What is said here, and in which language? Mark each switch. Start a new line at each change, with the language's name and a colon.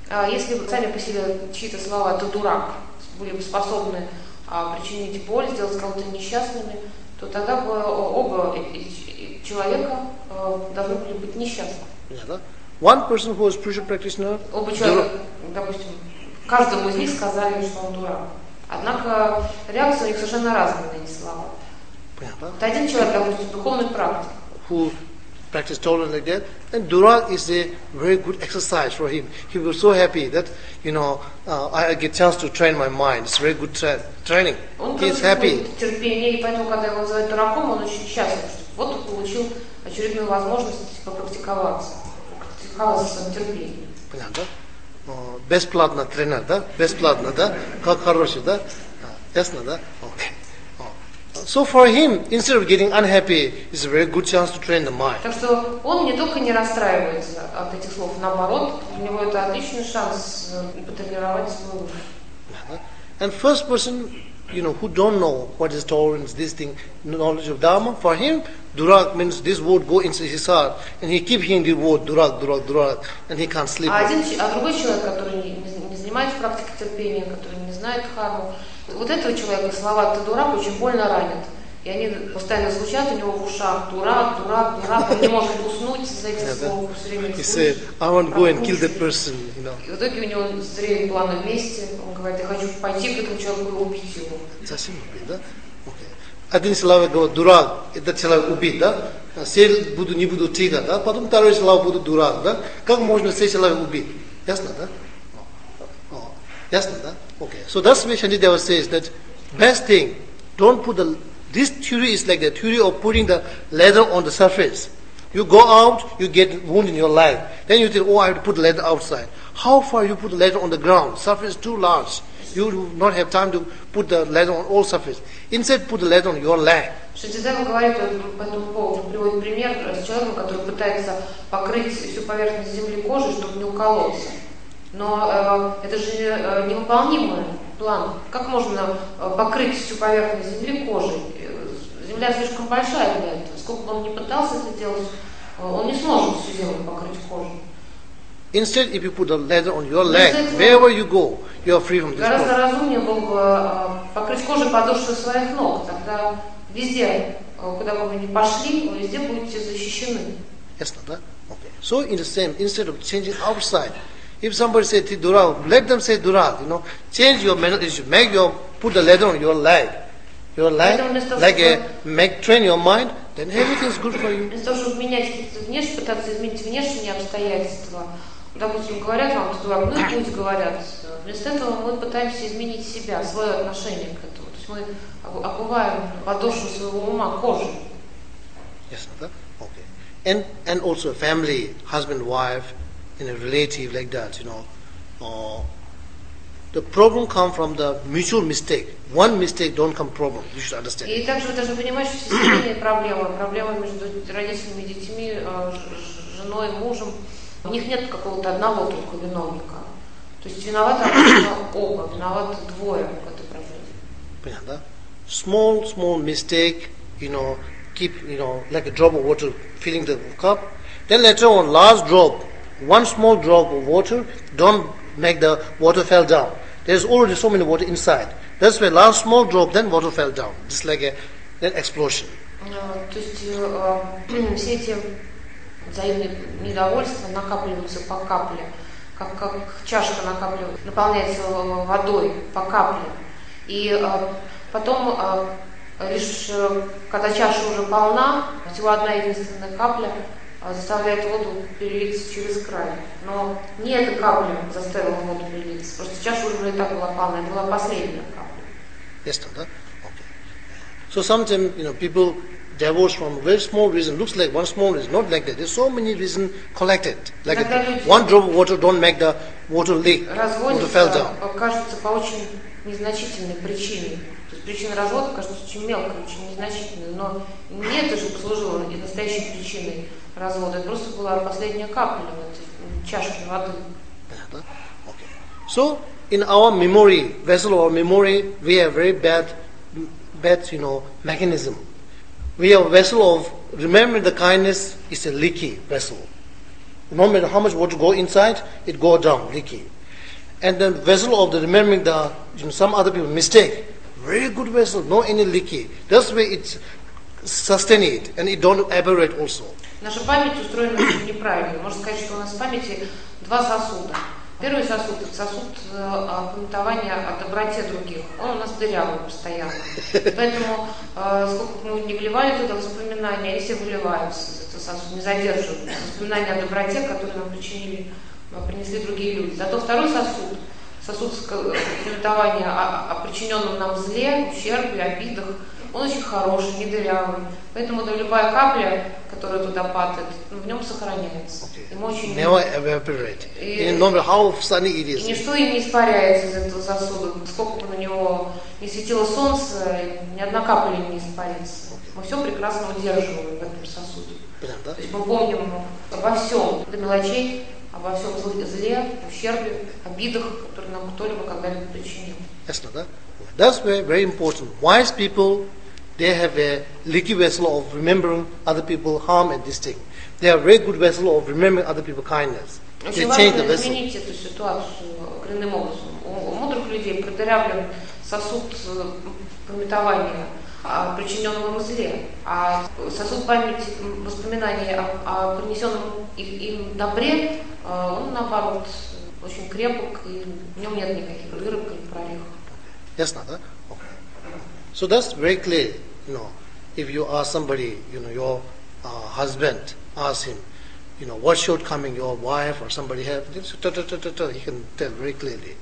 Russian: Если бы сами по себе чьи-то слова «ты дурак» были бы способны причинить боль, сделать кого-то несчастными, то тогда бы оба человека должны были быть несчастны.
English: Yeah, one person who is spiritual practitioner.
Russian: Оба человека, допустим, каждому из них сказали, что он дурак. Однако реакция у них совершенно разная на эти слова.
English: Yeah,
Russian: вот один человек, допустим, духовный практик.
English: Who practice tolerance like that, and durag is a very good exercise for him. He was so happy that, you know, I get chance to train my mind. It's very good training. He's happy.
Russian: Терпение, и поэтому, когда его называют дураком, он очень счастлив. Вот получил очередную возможность попрактиковаться. Практиковаться с терпением. Понятно? Бесплатно тренер, да? Бесплатно, да? Как хороший, да? Ясно, да? Окей.
English: So for him, instead of getting unhappy, it's a very good chance to train the mind.
Russian: Так что он не только не расстраивается от этих слов, наоборот, у него это отличный шанс потренировать свой ум.
English: And first person, you know, who don't know what is tolerance, this thing, knowledge of Dharma, for him, durak means this word go into his heart, and he keep hearing the word durak, durak, durak, and he can't sleep.
Russian: А другой человек, который не занимается практикой терпения, который не знает Дхарму, вот этого человека слова «ты дурак» очень больно ранят. И они постоянно звучат у него в ушах. Дурак, дурак, дурак. Он не может уснуть из-за этих слов. Все время
English: he said, I want to go and kill that person. You know.
Russian: И в итоге у него зрение было на месте. Он говорит, я хочу пойти к этому человеку и убить его. Совсем убить, да? Один человек говорит, дурак, этот человек убит, да? Сел, буду, не буду тигать, да? Потом второй человек будет дурак, да? Как можно все человек убить? Ясно, да? Ясно, да? Okay.
English: So that's why Shantideva says that best thing, don't put the... This theory is like the theory of putting the leather on the surface. You go out, you get wound in your leg. Then you think, oh, I have to put leather outside. How far you put the leather on the ground? Surface is too large. You do not have time to put the leather on all surface. Instead, put the leather on your leg.
Russian: Шатидева говорит по этому поводу, приводит пример с человеком, который пытается покрыть всю поверхность земли кожей, чтобы не уколоться. Но это же невыполнимый план. Как можно покрыть всю поверхность земли кожей? Земля слишком большая для этого. Сколько бы он ни пытался это делать, он не сможет всю землю покрыть кожей.
English: Instead, if you put a leather on your leg, wherever you go, you are free from this.
Russian: Гораздо разумнее было бы покрыть кожей подошвы своих ног, тогда везде, куда бы вы ни пошли, вы везде будете защищены. Ясно, да? Okay.
English: So in the same, instead of changing outside, if somebody says
Russian: ты дурак,
English: let them say
Russian: дурак,
English: you know, change your mental issue, make your put the leather on your leg. Your life, like a, make train your mind, then everything is good for you.
Russian: Вместо того, чтобы менять какие-то внешние, пытаться изменить внешние обстоятельства, допустим, говорят вам, кто вам, ну и пусть говорят, вместо этого мы пытаемся изменить себя, свое отношение к этому. То есть мы обуваем подошву своего ума, кожу.
English: Yes, sir. Okay. And also family, husband, wife, in a relative like that, you know, the problem comes from the mutual mistake. One mistake don't come problem. You should understand.
Russian: И также вы должны понимать, что семейные проблемы, проблемы между родителями, детьми, женой, мужем, у них нет какого-то одного только виновника. То есть виновата оба, виноваты двое в этой проблеме. Понятно, да?
English: Small mistake, you know, keep, you know, like a drop of water filling the cup. Then later on, last drop, one small drop of water, don't make the water fell down. There's already so many water inside. That's where last small drop, then water fell down. Just like an explosion.
Russian: То есть все эти взаимные недовольства накапливаются по капле, как чашка накапливается, наполняется водой по капле. И потом лишь когда чаша уже полна, всего одна единственная капля, заставляет воду перелиться через край. Но не эта капля заставила воду перелиться. Просто чаша уже и так была полная. Это была последняя капля.
English: Yes, sir, да? Okay. So sometimes, you know, people divorce from a very small reason. Looks like one small reason. Not like that. There's so many reasons collected. Like
Russian: иногда
English: one drop of water don't make the water leak.
Russian: Разводится, кажется, по очень незначительной причине. То есть причина развода кажется очень мелкой, очень незначительной. Но не это же послужило и настоящей причиной. Развод. Это просто была последняя капля в
English: Okay. So, in our memory, vessel of memory, we have very bad, you know, mechanism. We have vessel of, remember the kindness is a leaky vessel. No matter how much water go inside, it go down, leaky. And then vessel of the remembering the, you know, some other people mistake. Very good vessel, no any leaky. That's why it's sustain it, and it don't evaporate also.
Russian: Наша память устроена неправильно. Можно сказать, что у нас в памяти два сосуда. Первый сосуд – это сосуд памятования о доброте других. Он у нас дырявый постоянно. Поэтому, сколько бы мы ни вливали туда воспоминания, они все выливаются из этого сосуда, не задерживают воспоминания о доброте, которые нам причинили, принесли другие люди. Зато второй сосуд – сосуд памятования о причиненном нам зле, ущербе, обидах. Он очень хороший, не дырявый. Поэтому любая капля, которая туда падает, в нем сохраняется.
English: Okay.
Russian: И мы очень
English: Never evaporate. И, no matter how sunny it is.
Russian: И ничто и не испаряется из этого сосуда. Сколько бы на него не светило солнце, ни одна капля не испарится. Okay. Мы все прекрасно удерживаем в этом сосуде.
English: Yeah,
Russian: то есть мы помним обо всем, до мелочей, обо всем зле, ущербе, обидах, которые нам кто-либо когда-либо причинил. Ясно, да?
English: That's very important. Wise people, they have a leaky vessel of remembering other people harm and this thing. They are very good vessel of remembering other people kindness. They change the vessel.
Russian: Изменить эту ситуацию коренным образом. У мудрых людей продырявлен сосуд памятования причиненном зле, а сосуд памяти, воспоминания о принесенном им добре, он наоборот очень крепок, и в нем нет никаких дырок или прорехов. Ясно, да?
English: So that's very clear, you know, if you ask somebody, you know, your husband, ask him, you know, what shortcoming your wife or somebody have, he can tell very clearly.